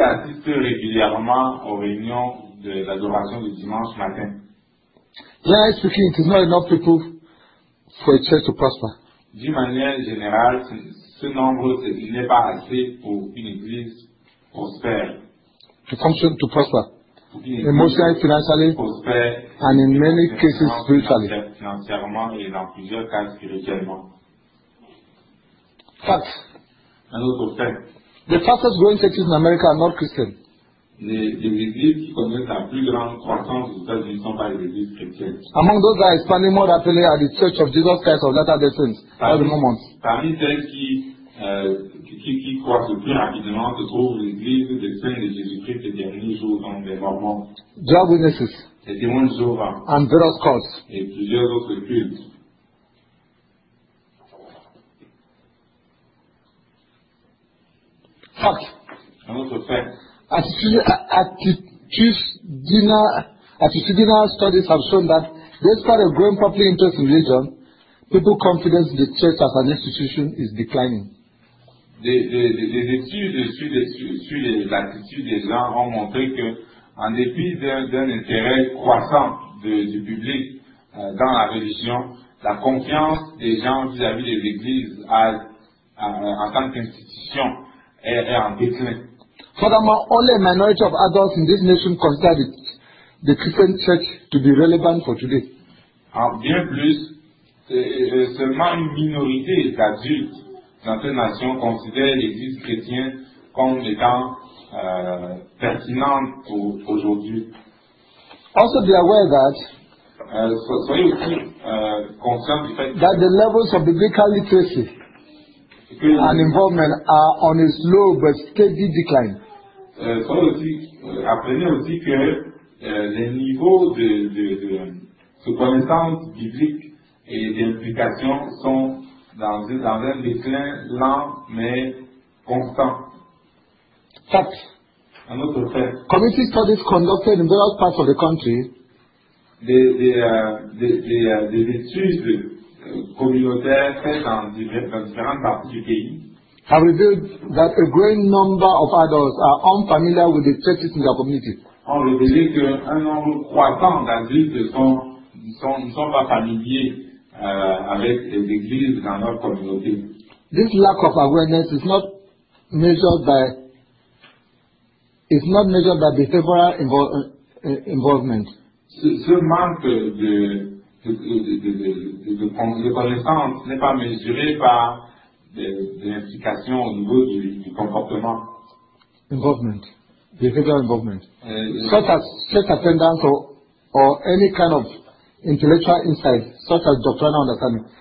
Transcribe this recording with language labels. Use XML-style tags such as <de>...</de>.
<fr>assistent régulièrement aux réunions de l'adoration du dimanche matin.</fr> <en>Generally speaking, it is not enough people for a church to prosper.</en> <fr>D'une manière générale, ce nombre n'est pas assez pour une église prospère.</fr> <en>To function, to prosper. Emotionally, financially,</en> <fr>prospère,</fr> <en>and in many cases spiritually.</en> <fr>Financièrement et dans plusieurs cas spirituellement.</fr> <en>Fact.</en> <fr>Un autre fait.</fr> <en>The fastest growing churches in America are not Christian.</en> <fr>Les églises qui connaissent la plus grande croissance aux États-Unis ne sont pas les églises chrétiennes.</fr> <en>Among those that are expanding more rapidly are the Church of Jesus Christ of Latter-day Saints at the moment.</en> <fr>Parmi celles qui croissent plus rapidement se trouve l'église des Saints de Jésus-Christ des derniers jours dans les Mormons.</fr> <en>Jehovah's Witnesses.</en> <fr>Les démons de Jéhovah.</fr> <en>And various cults.</en> <fr>Et plusieurs autres cultes.</fr> <en>Fact.</en> <fr>Un autre fait.</fr> <en>Attitudinal studies have shown that despite a growing public interest in religion, people's confidence in the church as an institution is declining.</en> <fr>Des études sur les attitudes des gens ont montré que, en dépit d'un intérêt croissant du public dans la religion, la confiance des gens vis-à-vis des églises en tant qu'institution est en déclin.</fr> <en>Furthermore, only a minority of adults in this nation consider the Christian church to be relevant for today.</en> <fr>Bien plus, seulement une minorité d'adultes dans cette nation considère l'Église chrétienne comme étant pertinente pour aujourd'hui.</fr> <en>Also, be aware that</en> <fr>soyez aussi conscient du fait</fr> <en>that the levels of biblical literacy and involvement are on a slow but steady decline.</en> <fr>Apprenez aussi que les niveaux de connaissance biblique et d'implication sont dans un déclin lent mais constant.</fr> <en>Fact.</en> <fr>Un autre fait.</fr> <en>Community studies conducted in various parts of the country.</en> <fr>Des études communautaires faites dans différentes parties du pays.</fr> <en>Have revealed that a growing number of adults are unfamiliar with the churches in their community.</en> <fr>On révèle que un nombre croissant d'adultes ne sont pas familiers avec les églises dans leur communauté.</fr> <en>This lack of awareness is not measured by the favorable involvement.</en> <fr>Ce manque de connaissance n'est pas mesuré par des implications au niveau du comportement.</fr> <en>Involvement. Behavioral involvement. Such as church attendance or any kind of intellectual insight, such as doctrinal understanding.</en>